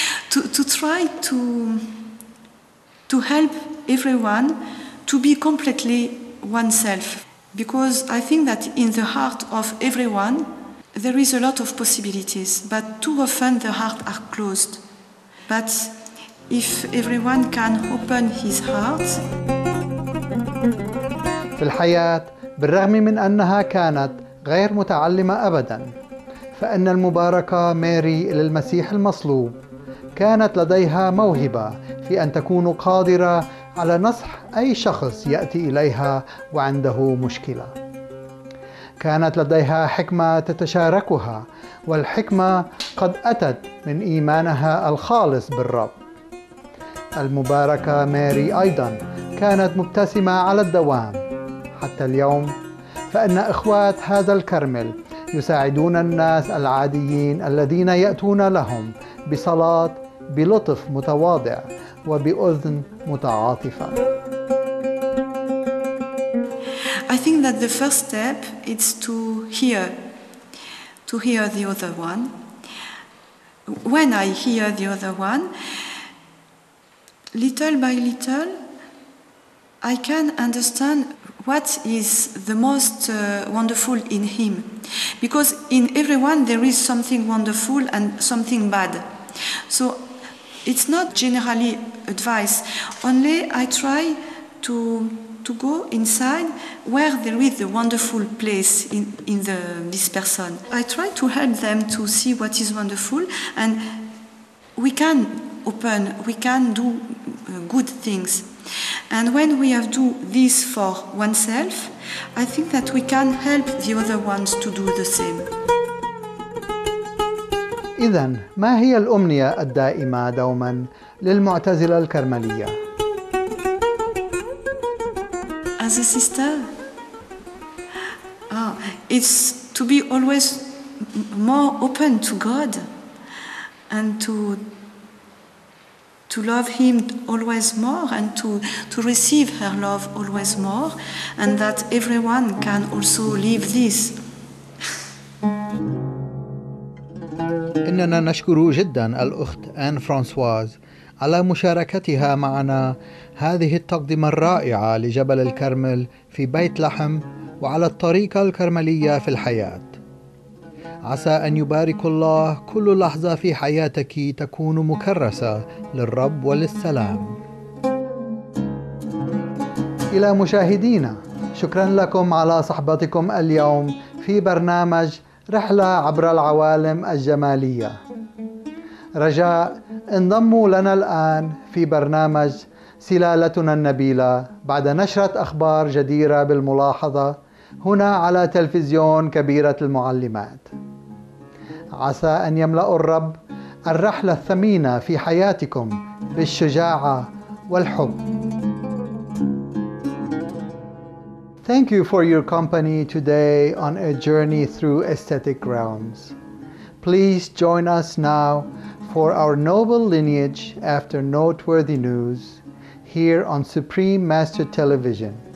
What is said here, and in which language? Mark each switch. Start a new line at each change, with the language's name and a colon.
English: to try to help everyone to be completely oneself, because I think that in the heart of everyone there is a lot of possibilities, but too often the heart are closed. But if everyone can open his heart.
Arabic: في الحياة بالرغم من أنها كانت غير متعلمة أبداً، فإن المباركة ماري للمسيح المصلوب كانت لديها موهبة في أن تكون قادرة على نصح أي شخص يأتي إليها وعنده مشكلة. كانت لديها حكمة تتشاركها، والحكمة قد أتت من إيمانها الخالص بالرب. المباركة ماري أيضاً كانت مبتسمة على الدوام حتى اليوم، فإن إخوات هذا الكرمل يساعدون الناس العاديين الذين يأتون لهم بصلاة بلطف متواضع وبأذن متعاطفة.
English: I think that the first step is to hear the other one. When I hear the other one, little by little, I can understand what is the most wonderful in him. Because in everyone there is something wonderful and something bad. So it's not generally advice, only I try to go inside where there is the wonderful place in this person. I try to help them to see what is wonderful, and we can open, we can do good things. And when we have do this for oneself, I think that we can help the other ones to do the same.
Arabic: إذن ما هي الأمنية الدائمة دوما للمعتزلة الكرملية؟
English: As a sister, it's to be always more open to God and to love Him always more and to receive her love always more, and that everyone can also live this.
Arabic: إننا نشكر جدا الأخت آن فرانسواز على مشاركتها معنا هذه التقدمة الرائعة لجبل الكرمل في بيت لحم وعلى الطريقة الكرملية في الحياة. عسى أن يبارك الله كل لحظة في حياتك تكون مكرسة للرب وللسلام. إلى مشاهدينا، شكرا لكم على صحبتكم اليوم في برنامج رحلة عبر العوالم الجمالية. رجاء انضموا لنا الآن في برنامج سلالتنا النبيلة بعد نشرة أخبار جديرة بالملاحظة هنا على تلفزيون كبيرة المعلمات. عسى أن يملأ الرب الرحلة الثمينة في حياتكم بالشجاعة والحب.
English: Thank you for your company today on a journey through aesthetic realms. Please join us now for our noble lineage after noteworthy news here on Supreme Master Television.